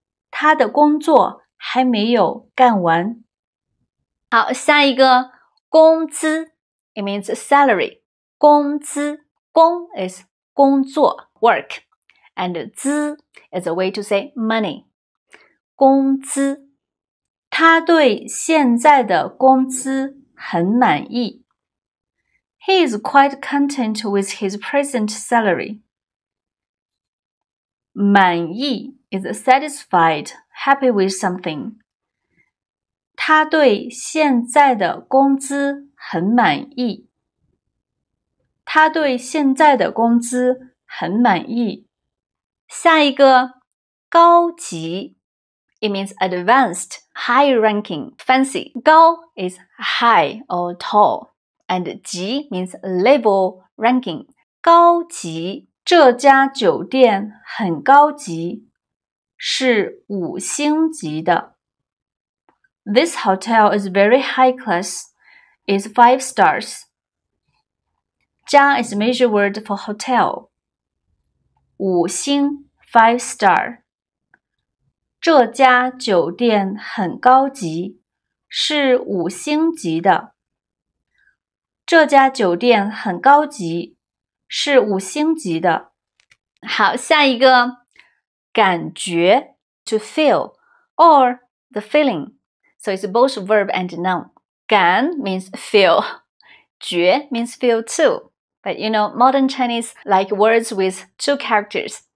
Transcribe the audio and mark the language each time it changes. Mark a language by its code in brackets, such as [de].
[zh] 他的工作还没有干完。好，下一个工资 [en] It means salary. 工资工 is 工作 work. And 资 is a way to say money. [zh] 工资他对现在的工资很满意。 [en] He is quite content with his present salary. 满意 is satisfied, happy with something. [zh] 他对现在的工资很满意。他对现在的工资很满意。下一个，高级。 [en] It means advanced, high ranking, fancy. 高 is high or tall. And 级 means level ranking. [zh] 高级这家酒店很高级是五星级的。 [en] This hotel is very high class, is five stars. 家 is a major word for hotel. 五星 five star. [zh] 这家酒店很高级，是五星级的。这家酒店很高级，是五星级的。好，下一个， [en] 感觉 to feel or the feeling, so it's both verb and noun. 感 means feel, 觉 means feel too. But you know, modern Chinese like words with two characters.